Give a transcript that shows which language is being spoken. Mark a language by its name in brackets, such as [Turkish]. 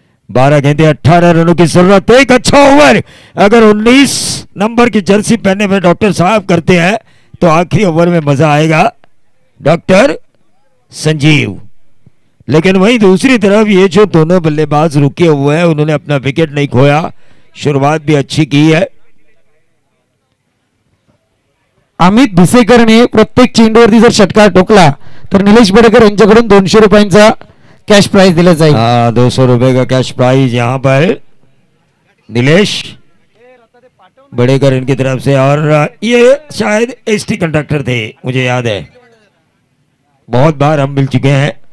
[Hindi] बारह गेंदे 18 रनों की जरूरत, एक अच्छा ओवर, अगर 19 नंबर की जर्सी पहने हुए डॉक्टर साहब करते हैं तो आखिरी ओवर में मजा आएगा डॉक्टर संजीव। लेकिन वहीं दूसरी तरफ ये जो दोनों बल्लेबाज रुके हुए हैं, उन्होंने अपना विकेट नहीं खोया, शुरुआत भी अच्छी की है। [Marathi] अमित भिसेकर ने प्रत्येक चेंडू वरती जर षटकार टोकला तर निलेश बडेकर यांच्याकडून 200 रुपयांचा कैश प्राइज दिले जाईल। [Hindi] 200 रुपए का कैश प्राइज यहाँ पर निलेश बड़ेकर इनकी तरफ से, और ये शायद एसटी कंडक्टर थे, मुझे याद है, बहुत बार हम मिल चुके हैं।